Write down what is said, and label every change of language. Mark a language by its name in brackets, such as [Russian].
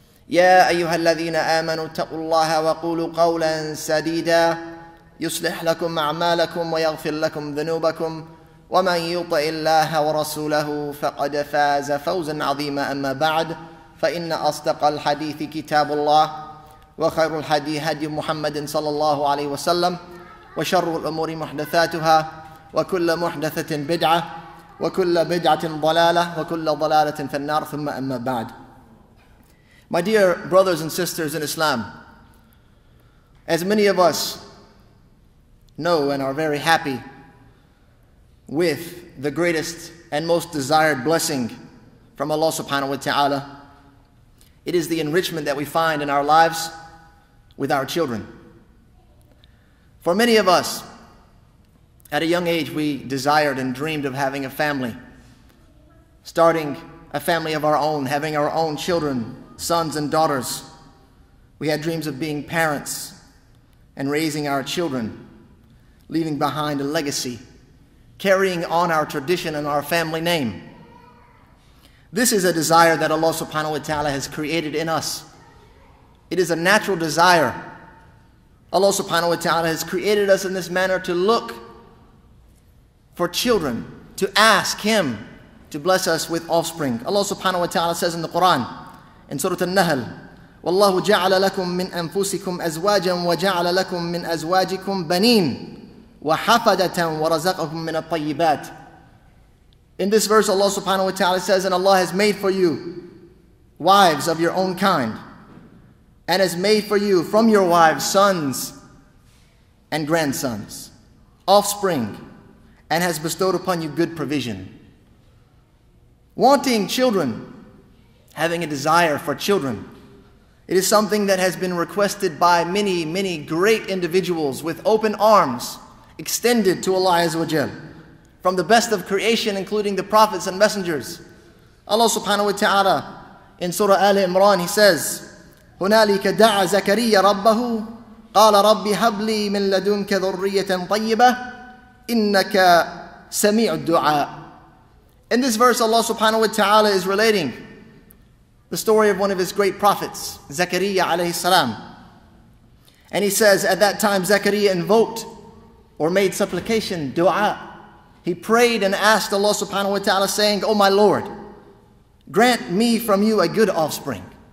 [Arabic] يا أيها الذين آمنوا اتقوا الله وقولوا قولا سديدا يصلح لكم أعمالكم ويغفر لكم ذنوبكم ومن يطع الله ورسوله فقد فاز فوزا عظيما أما بعد فإن أصدق الحديث كتاب الله وخير الهدي هدي محمد صلى الله عليه وسلم وشر الأمور محدثاتها وكل محدثة بدعة وكل بدعة ضلالة وكل ضلالة في النار ثم أما بعد. [English] My dear brothers and sisters in Islam, as many of us know and are very happy with the greatest and most desired blessing from Allah subhanahu wa ta'ala, it is the enrichment that we find in our lives with our children. For many of us, at a young age, we desired and dreamed of having a family, starting a family of our own, having our own children, sons and daughters. We had dreams of being parents and raising our children, leaving behind a legacy, carrying on our tradition and our family name. This is a desire that Allah subhanahu wa ta'ala has created in us. It is a natural desire. Allah subhanahu wa ta'ala has created us in this manner to look for children, to ask Him to bless us with offspring. Allah subhanahu wa ta'ala says in the Quran, in Surah An-Nahl, [Arabic] وَاللَّهُ جَعَلَ لَكُم مِّنْ أَنفُسِكُمْ أَزْوَاجًا وَجَعَلَ لَكُم مِّنْ أَزْوَاجِكُمْ بَنِينَ وَحَفَدَةً وَرَزَقَكُم مِّنَ الطَّيِّبَاتِ. [English] In this verse, Allah subhanahu wa ta'ala says, and Allah has made for you wives of your own kind, and has made for you from your wives sons and grandsons, offspring, and has bestowed upon you good provision. Wanting children, having a desire for children, it is something that has been requested by many, many great individuals with open arms extended to Allah Azza wa Jal, from the best of creation, including the prophets and messengers. Allah subhanahu wa ta'ala, in Surah Ali Imran, He says, [Arabic] هُنَالِكَ دَعَ زَكَرِيَّ رَبَّهُ قَالَ رَبِّ هَبْ لِي مِنْ لَدُنْكَ ذُرِّيَّةً طَيِّبَةً إِنَّكَ سَمِيعُ الدُّعَاءِ. [English] In this verse, Allah subhanahu wa ta'ala is relating the story of one of His great prophets, Zakariya alayhi salam. And he says, at that time, Zakariya invoked or made supplication, dua. He prayed and asked Allah subhanahu wa ta'ala, saying, O my Lord, grant me from you a good offspring.